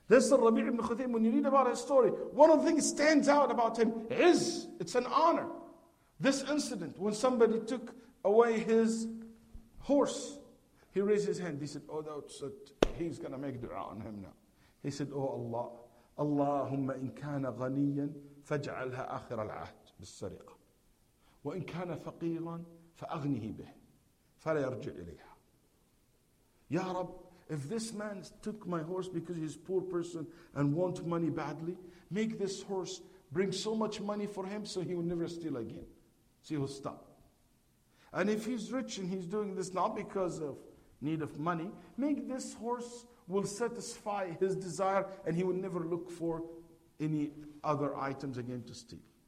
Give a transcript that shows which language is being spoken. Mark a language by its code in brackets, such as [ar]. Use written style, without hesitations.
[en] This is Rabi' ibn Khuthaym. When you read about his story, one of the things stands out about him is, it's an honor. This incident, when somebody took away his horse, he raised his hand. He said, oh, that's it. He's going to make dua on him now. He said, oh Allah, [ar] اللهم إن كان غنيا فاجعلها آخر العهد بالسرقة وإن كان فقيرا فأغنه به فلا يرجع إليها. [en] يا رب, if this man took my horse because he's a poor person and want money badly, make this horse bring so much money for him so he will never steal again. So he will stop. And if he's rich and he's doing this not because of need of money, make this horse will satisfy his desire and he will never look for any other items again to steal.